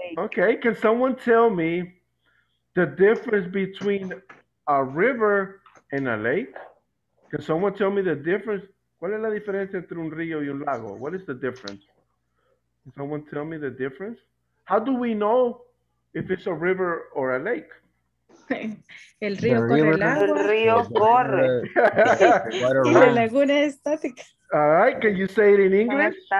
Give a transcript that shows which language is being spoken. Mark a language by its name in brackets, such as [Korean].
[English] Okay, can someone tell me the difference between a river and a lake? Can someone tell me the difference? [Spanish] ¿Cuál es la diferencia entre un río y un lago? [English] What is the difference? Can someone tell me the difference? How do we know if it's a river or a lake? [Spanish] El río corre el agua. El río corre. Y la laguna es estática. [English] All right, can you say it in English?